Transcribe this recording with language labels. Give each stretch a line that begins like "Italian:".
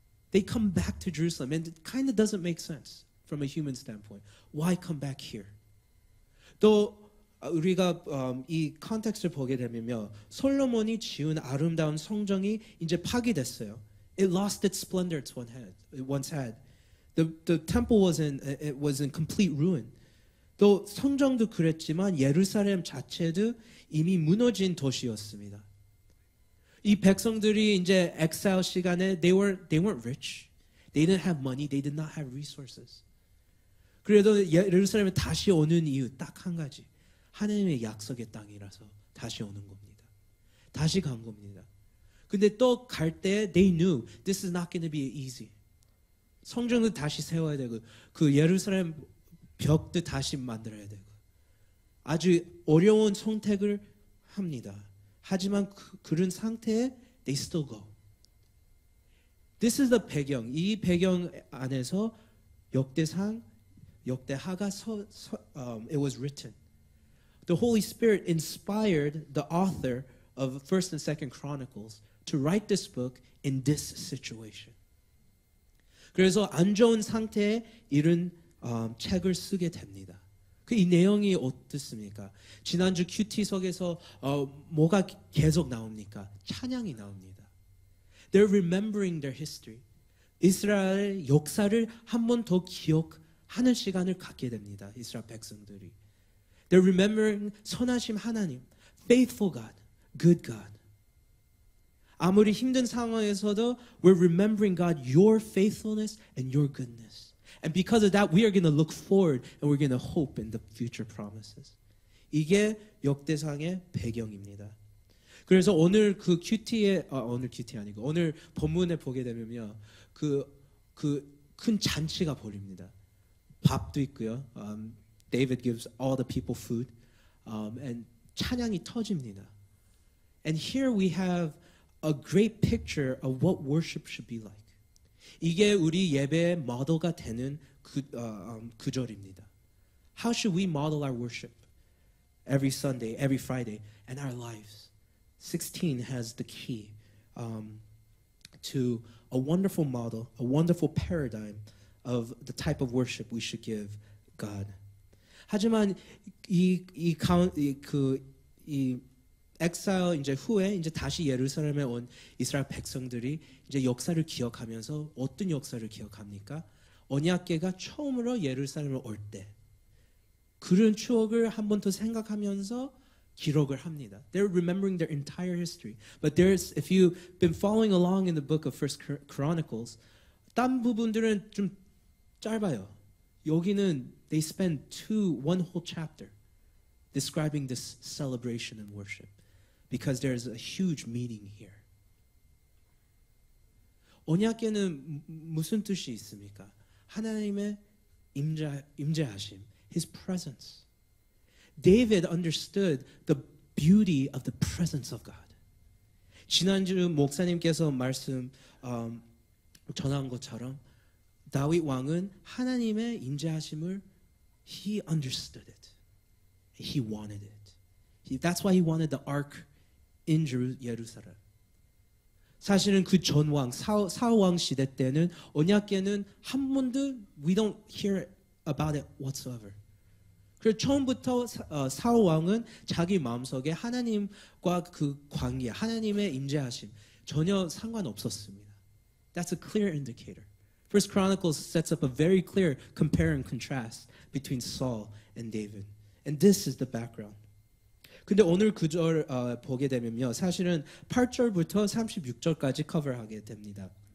English: They come back to Jerusalem, and it kind of doesn't make sense from a human standpoint. Why come back here?
Korean: 또 우리가 이 컨텍스트를 보게 되면요, 솔로몬이 지은 아름다운 성전이 이제 파괴됐어요.
English: It lost its splendor once had. The temple was in complete ruin.
Korean: 또 성전도 그랬지만 예루살렘 자체도 이미 무너진 도시였습니다. 이 백성들이 이제 exile 시간에
English: they weren't rich. They didn't have money. They did not have resources.
Korean: 그래도 예루살렘에 다시 오는 이유 딱 한 가지. 하나님의 약속의 땅이라서 다시 오는 겁니다. 다시 간 겁니다. 근데 또 갈 때
English: they knew this is not going to be easy.
Korean: 성전도 다시 세워야 되고 그 예루살렘 벽도 다시 만들어야 되고 아주 어려운 선택을 합니다. 하지만 그런 상태에
English: they still go. This is the 배경.
Korean: 이 배경 안에서 역대하가
English: it was written. The Holy Spirit inspired the author of 1st and 2nd Chronicles to write this book in this situation.
Korean: 그래서 안 좋은 상태에 이런 책을 쓰게 됩니다. 그 이 내용이 어떻습니까? 지난주 큐티석에서 뭐가 계속 나옵니까? 찬양이 나옵니다.
English: They're remembering their history.
Korean: 이스라엘 역사를 한 번 더 기억하는 시간을 갖게 됩니다. 이스라엘 백성들이.
English: They're remembering
Korean: 선하심 하나님,
English: faithful God, good God.
Korean: 아무리 힘든 상황에서도
English: we're remembering God, your faithfulness and your goodness. And because of that, we are going to look forward and we're going to hope in the future promises.
Korean: 이게 역대상의 배경입니다. 그래서 오늘 그 큐티에, 오늘 큐티 아니고 오늘 본문에 보게 되면요. 그 큰 잔치가 벌입니다. 밥도 있고요.
English: David gives all the people food. And
Korean: 찬양이 터집니다.
English: And here we have a great picture of what worship should be like.
Korean: 이게 우리 예배의 모델가 되는 구절입니다.
English: How should we model our worship every Sunday, every Friday, and our lives? 16 has the key to a wonderful model, a wonderful paradigm of the type of worship we should give God.
Korean: 하지만 이 exile 이제 후에 이제 다시 예루살렘에 온 이스라엘 백성들이 이제 역사를 기억하면서 어떤 역사를 기억합니까? 언약궤가 처음으로 예루살렘을 올 때 그런 추억을 한 번 더 생각하면서 기록을 합니다.
English: They're remembering their entire history. But there's if you've been following along in the book of 1st Chronicles,
Korean: 다른 부분들은 좀 짧아요. 여기는
English: they spend one whole chapter describing this celebration and worship. Because there is a huge meaning here.
Korean: 언약궤는 무슨 뜻이 있습니까? 하나님의 임재하심,
English: His presence. David understood the beauty of the presence of God.
Korean: 지난주 목사님께서 말씀 전한 것처럼 다윗 왕은 하나님의 임재하심을
English: he understood it. He wanted it. That's why he wanted the ark in Jerusalem.
Korean: 사실은 그 전왕 사왕 시대 때는 언약궤는 한 번도
English: we don't hear about it whatsoever.
Korean: 그래서 처음부터 사왕은 자기 마음속에 하나님과 그 관계, 하나님의 임재하심 전혀 상관없었습니다.
English: That's a clear indicator. First Chronicles sets up a very clear compare and contrast between Saul and David. And this is the background.
Korean: 근데 오늘 구절 보게 되면요. 사실은 8절부터 36절까지 커버하게 됩니다.